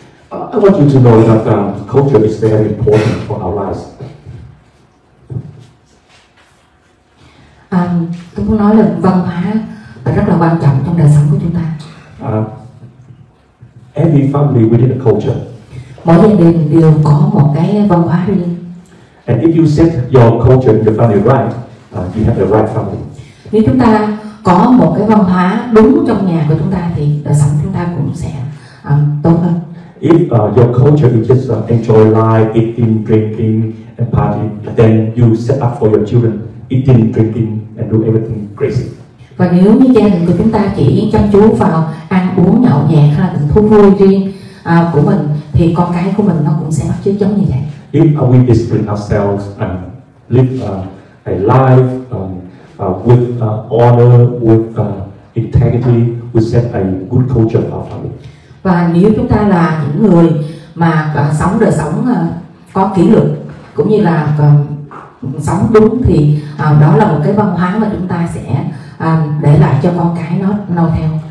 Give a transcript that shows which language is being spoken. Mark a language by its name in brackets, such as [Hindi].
[English] I want you to know that culture is very important for our lives. [Vietnamese] Tôi muốn nói là văn hóa rất là quan trọng trong đời sống của chúng ta. [English] Every family we need a culture. [Vietnamese] Mỗi gia đình đều có một cái văn hóa riêng. [English] And if you set your culture in your family right, you have the right family. [Vietnamese] Nếu chúng ta có một cái văn hóa đúng trong nhà của chúng ta thì đời sống chúng ta cũng sẽ tốt hơn. [English] If your culture is just enjoy life, eating, drinking, and party, then you set up for your children eating, drinking, and do everything crazy. [Vietnamese] Và nếu như gia đình của chúng ta chỉ chăm chú vào ăn uống nhậu nhẹt hay là thú vui riêng của mình thì con cái của mình nó cũng sẽ bắt chước giống như vậy. [English] If we discipline ourselves and live a life with honor, with integrity, we set a good culture for our family. [Vietnamese] Và nếu chúng ta là những người mà sống đời sống có kỷ luật cũng như là sống đúng thì đó là một cái văn hóa mà chúng ta sẽ để lại cho con cái nó noi theo.